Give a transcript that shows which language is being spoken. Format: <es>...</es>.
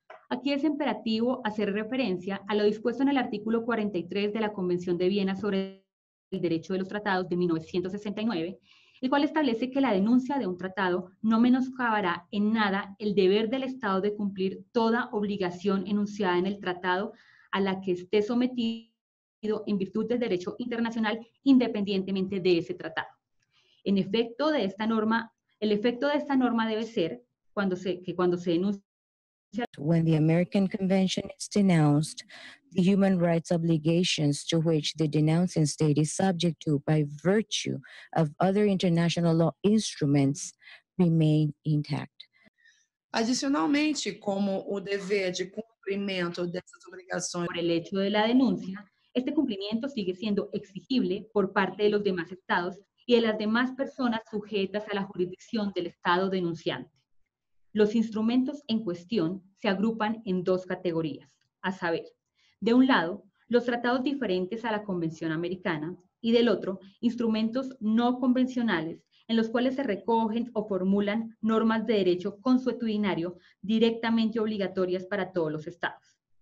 <es>Aquí es imperativo hacer referencia a lo dispuesto en el artículo 43 de la Convención de Viena sobre el Derecho de los Tratados de 1969, el cual establece que la denuncia de un tratado no menoscabará en nada el deber del Estado de cumplir toda obligación enunciada en el tratado a la que esté sometido en virtud del derecho internacional independientemente de ese tratado. En efecto, de esta norma, el efecto de esta norma debe ser que cuando se denuncie</es> <en>When the American Convention is denounced, the human rights obligations to which the denouncing state is subject to by virtue of other international law instruments remain intact.</en> <pt>Adicionalmente, como o dever de cumprimento dessas obrigações</pt> <es>por el hecho de la denuncia, este cumplimiento sigue siendo exigible por parte de los demás estados y de las demás personas sujetas a la jurisdicción del estado denunciante. Los instrumentos en cuestión se agrupan en dos categorías, a saber, de un lado, los tratados diferentes a la Convención Americana y del otro, instrumentos no convencionales en los cuales se recogen o formulan normas de derecho consuetudinario directamente obligatorias para todos los estados.</es>